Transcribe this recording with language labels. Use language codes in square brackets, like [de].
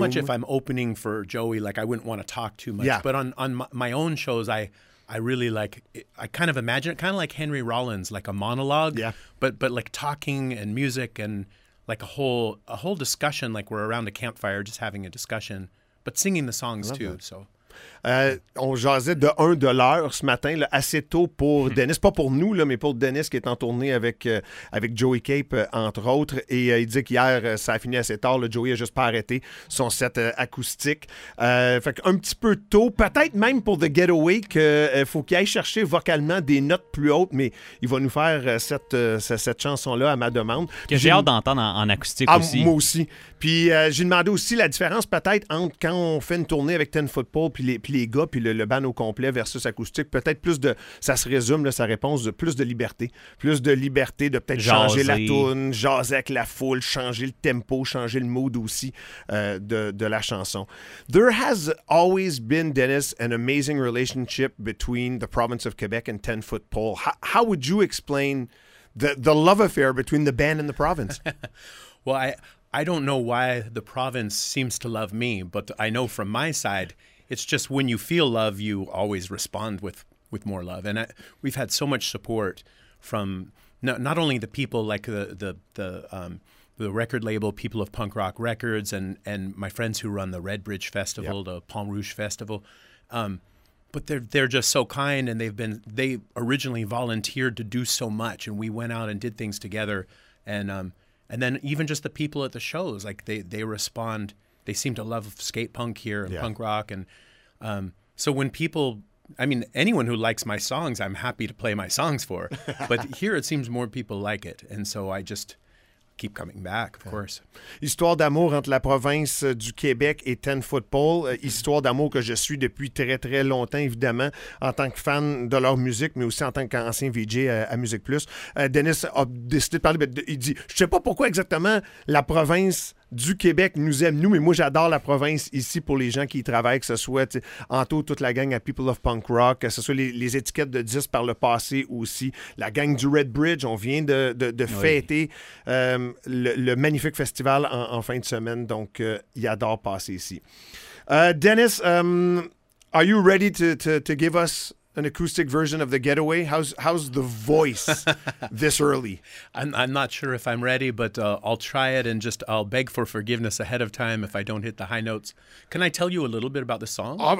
[en] Much if I'm opening for Joey, like I wouldn't want to talk too much. Yeah. But on my own shows, I really like it. I kind of imagine it kind of like Henry Rollins, like a monologue, yeah. but like talking and music and like a whole discussion, like we're around a campfire just having a discussion, but singing the songs too. That. So [fr] on jasait de 1 de l'heure ce matin, là, assez tôt pour Dennis, pas pour nous, là, mais pour Dennis qui est en tournée avec Joey Cape, entre autres. Et il dit qu'hier, ça a fini assez tard. Là, Joey a juste pas arrêté son set acoustique. Fait qu'un petit peu tôt, peut-être même pour The Getaway, qu'il faut qu'il aille chercher vocalement des notes plus hautes, mais il va nous faire cette chanson-là à ma demande. Que j'ai hâte d'entendre en acoustique aussi. Moi aussi. Puis j'ai demandé aussi la différence peut-être entre quand on fait une tournée avec 10 Foot Pole puis les gars, puis le band au complet versus acoustique, peut-être plus de, ça se résume là, sa réponse, de plus de liberté. Plus de liberté de peut-être jaser. Changer la toune, jaser avec la foule, changer le tempo, changer le mood aussi de la chanson. [en] There has always been, Dennis, an amazing relationship between the province of Quebec and 10 Foot Pole. How would you explain the love affair between the band and the province? Well, I don't know why the province seems to love me, but I know from my side, it's just when you feel love, you always respond with more love. And we've had so much support from not only the people like the record label, People of Punk Rock Records, and my friends who run the Red Bridge Festival, yep. The Palm Rouge Festival, but they're just so kind, and they originally volunteered to do so much, and we went out and did things together, and then even just the people at the shows, like they respond. They seem to love skate punk here and punk rock. And so when people, I mean, anyone who likes my songs, I'm happy to play my songs for. But here it seems more people like it. And so I just keep coming back, of course. [fr] Histoire d'amour entre la province du Québec et 10 Foot Pole. Histoire d'amour que je suis depuis très, très longtemps, évidemment, en tant que fan de leur musique, mais aussi en tant qu'ancien VJ à Musique Plus. Dennis a décidé de parler, mais il dit, je sais pas pourquoi exactement la province du Québec nous aime, nous, mais moi j'adore la province ici pour les gens qui y travaillent, que ce soit Anto, toute la gang à People of Punk Rock, que ce soit les étiquettes de disques par le passé aussi, la gang du Red Bridge, on vient de fêter le magnifique festival en fin de semaine, donc ils adorent passer ici. [en] Dennis, are you ready to give us an acoustic version of The Getaway? How's the voice this early? I'm not sure if I'm ready, but I'll try it, and just I'll beg for forgiveness ahead of time if I don't hit the high notes. Can I tell you a little bit about the song?